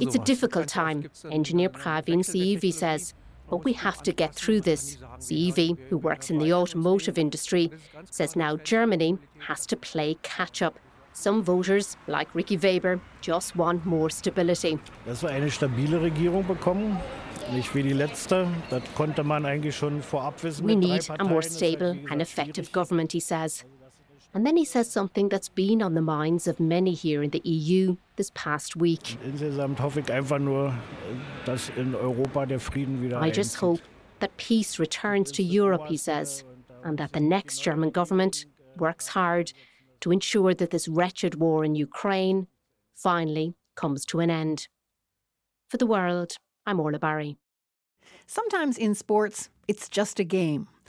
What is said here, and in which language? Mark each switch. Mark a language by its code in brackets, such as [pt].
[de] sowas. [en] It's a difficult time, engineer Pravin Sievi says. But we have to get through this. Sievi, who works in the automotive industry, says now Germany has to play catch-up. Some voters, like Ricky Weber, just want more stability. [de] Dass wir eine stabile Regierung bekommen, nicht wie die letzte, das konnte man eigentlich schon vorab wissen. [en] We need a more stable and effective government, he says. And then he says something that's been on the minds of many here in the EU this past week. [de] Insgesamt hoffe ich einfach nur, dass in Europa der Frieden wieder einzieht. [en] I just hope that peace returns to Europe, he says, and that the next German government works hard to ensure that this wretched war in Ukraine finally comes to an end. For The World, I'm Orla Barry. Sometimes in sports, it's just a game.